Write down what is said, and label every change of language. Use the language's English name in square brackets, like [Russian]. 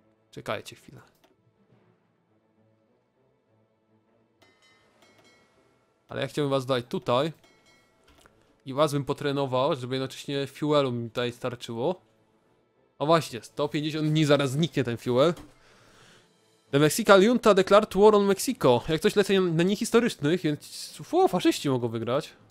[Polish] Czekajcie chwilę. Ale ja chciałbym was dać tutaj. I was bym potrenował, żeby jednocześnie fuelu mi tutaj starczyło. O właśnie, 150 dni zaraz zniknie ten fuel. [English] The Mexican Junta declared war on Mexico. [Polish] Jak coś lecę na niehistorycznych, więc faszyści mogą wygrać.